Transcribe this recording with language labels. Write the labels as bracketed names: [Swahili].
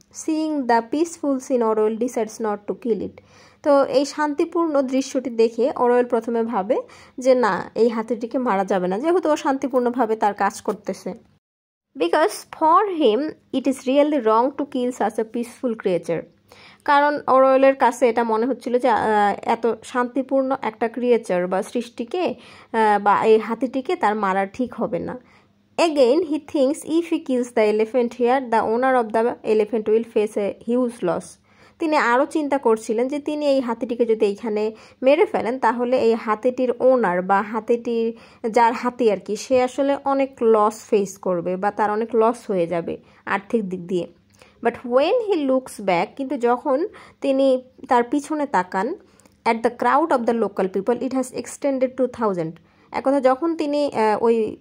[English] Seeing the peaceful scene Orwell decides not to kill it. [Bangla] তো এই শান্তিপূর্ণ দৃশ্যটি দেখে অরওয়েল প্রথমে ভাবে যে না এই হাতিটিকে মারা যাবে না, যেহেতু ও শান্তিপূর্ণভাবে তার কাজ করতেছে। [English] Because for him it is really wrong to kill such a peaceful creature. [Bangla] কারণ অরওয়েলের কাছে এটা মনে হচ্ছিল যে এত শান্তিপূর্ণ একটা ক্রিয়েচার বা সৃষ্টিকে বা এই হাতিটিকে তার মারা ঠিক হবে না। [English] Again, he thinks if he kills the elephant here, the owner of the elephant will face a huge loss. [Bangla] তিনি আরও চিন্তা করছিলেন যে তিনি এই হাতিটিকে যদি এইখানে মেরে ফেলেন তাহলে এই হাতিটির ওনার বা হাতিটির যার হাতি আর কি সে আসলে অনেক লস ফেস করবে বা তার অনেক লস হয়ে যাবে আর্থিক দিক দিয়ে। [English] but when he looks back, [Bangla] কিন্তু যখন তিনি তার পিছনে তাকান [English] At the crowd of the local people it has extended to thousand. [Bangla] এক কথা যখন তিনি ওই